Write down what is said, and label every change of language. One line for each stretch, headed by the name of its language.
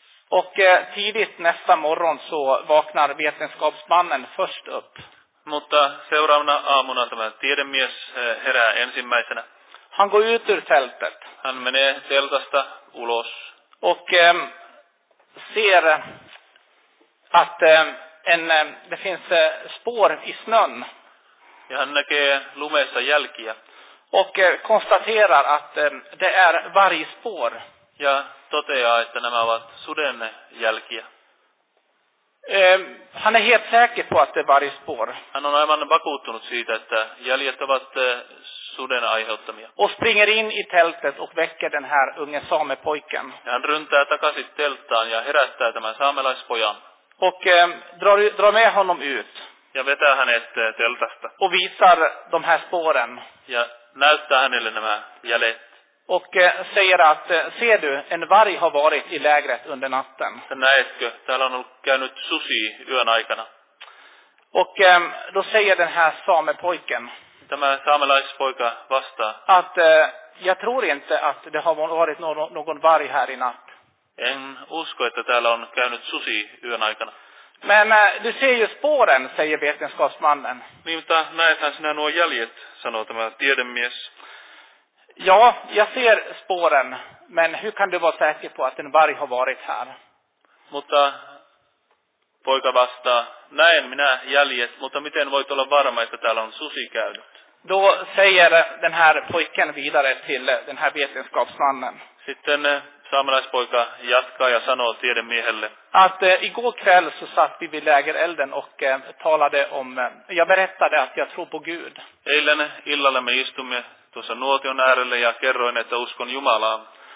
Swedish: Och tidigt nästa morgon så vaknar vetenskapsmannen först upp.
Finnish: Mutta seuraavana aamuna tämä tiedemies herää ensimmäisenä.
Swedish: Han går ut ur tältet.
Finnish: Han menee teltasta ulos.
Swedish: Och ser att det finns spår i snön.
Finnish: Ja, han näkee lumessa jälkiä.
Swedish: Och konstaterar att det är vargspår.
Finnish: Ja, toteaa, että nämä ovat suden jälkiä.
Swedish: Han är helt säker på att det är vargspår.
Finnish: Han on aivan vakuuttunut siitä, että jäljet ovat suden aiheuttamia.
Swedish: Och springer in i tältet och väcker den här unge samepojken.
Finnish: Ja, hän ryntää takaisin telttaan ja herättää tämän saamelaispojan.
Swedish: Och drar med honom ut.
Finnish: Ja vetää hänet teltasta.
Swedish: Och visar de här spåren.
Finnish: Ja näyttää hänelle nämä jäljet.
Swedish: Och säger att, ser du, en varg har varit i lägret under natten.
Finnish: Näetkö, täällä on ollut käynyt susi yön aikana.
Swedish: Och då säger den här samepojken.
Finnish: Tämä saamelaispoika vastaa.
Swedish: Att jag tror inte att det har varit någon varg här i natt.
Finnish: En usko, että täällä on käynyt susi yön aikana.
Swedish: Men du ser ju spåren, säger vetenskapsmannen.
Finnish: Niin, mutta näethän sinä nuo jäljet, sanoo tämä tiedemies.
Swedish: Ja, jag ser spåren, men hur kan du vara säker på att en varg har varit här?
Finnish: Mutta poika vastaa, näen minä jäljet, mutta miten voit olla varma, että täällä on susi käynyt?
Swedish: Då säger den här pojken vidare till den här vetenskapsmannen.
Finnish: Sitten saamelaispoika jatkaa ja sanoo tiedemiehelle.
Swedish: Att igår kväll så satt vi vid lägerelden och talade om, jag berättade att jag tror på Gud.
Finnish: Eilen illalla me istumme tuossa nuotion äärelle ja kerroin, että uskon Jumalaa.